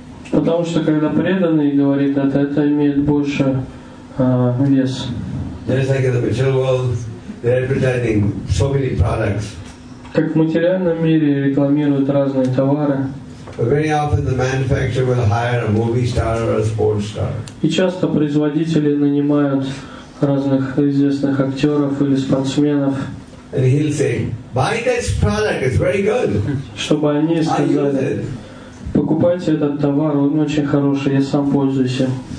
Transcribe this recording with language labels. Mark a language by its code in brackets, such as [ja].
[ru] Потому что когда преданный говорит это имеет больше вес. [en] They're advertising so many products. [ru] Как в материальном мире рекламируют разные товары. [en] But very often the manufacturer will hire a movie star or a sports star. [ru] И часто производители нанимают разных известных актеров или спортсменов. [en] And he'll say, "Buy this product. It's very good." [ru] Чтобы они сказали, покупайте этот товар, он очень хороший, я сам пользуюсь им.